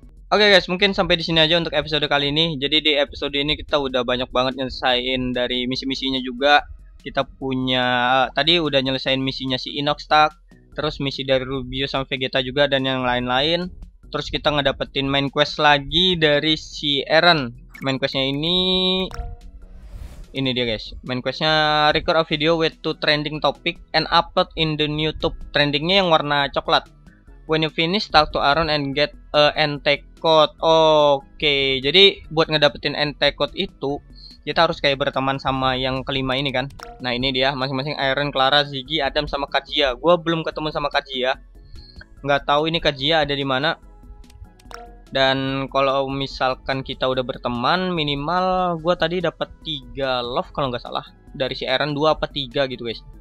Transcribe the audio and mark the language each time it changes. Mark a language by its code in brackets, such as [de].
[id] Oke guys, mungkin sampai di sini aja untuk episode kali ini. Jadi di episode ini kita udah banyak banget nyelesain dari misi-misinya juga. Kita punya tadi udah nyelesain misinya si Inoxtag. Terus misi dari Rubio sama Vegeta juga dan yang lain-lain. Terus kita ngedapetin main quest lagi dari si Eren. Main questnya ini, ini dia guys. [en] Main questnya record a video with two trending topic and upload in the new YouTube. [id] Trendingnya yang warna coklat. [en] When you finish, talk to Aaron and get a NT code. Okay. [id] Jadi buat ngedapetin NT code itu, kita harus kayak berteman sama yang kelima ini kan. Nah, ini dia masing-masing Aaron, Clara, Ziggy, Adam sama Kajia. Gua belum ketemu sama Kajia. Enggak tahu ini Kajia ada di mana. Dan kalau misalkan kita udah berteman, minimal gua tadi dapat 3 love kalau enggak salah dari si Aaron, 2 apa 3 gitu, guys.